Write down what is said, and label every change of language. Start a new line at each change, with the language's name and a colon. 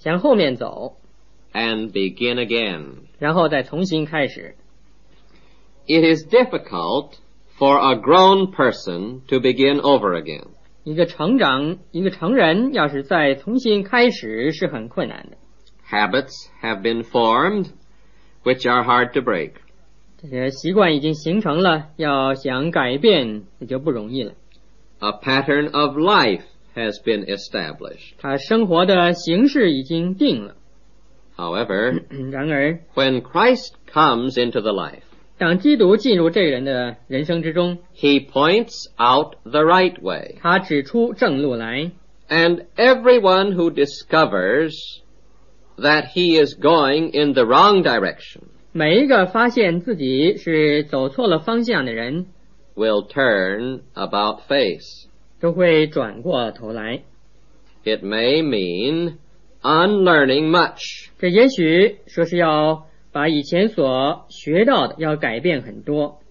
Chinese: 向后面走。
English: And begin again.
Chinese: 然后再重新开始。
English: It is difficult for a grown person to begin over again.
Chinese: 一个成人要是再重新开始是很困难的。
English: Habits have been formed, which are hard to break.
Chinese: 这些习惯已经形成了，要想改变也就不容易了。
English: A pattern of life has been established.
Chinese: 他生活的形式已经定了。
English: However,
Chinese: 然而
English: when Christ comes into the life,
Chinese: 当基督进入这个人的人生之中，
English: He points out the right way.
Chinese: 他指出正路来。
English: And everyone who discovers that he is going in the wrong direction,
Chinese: 每一个发现自己是走错了方向的人
English: will turn about face
Chinese: 都会转过头来。
English: It may mean unlearning much
Chinese: 这也许说是要把以前所学到的要改变很多。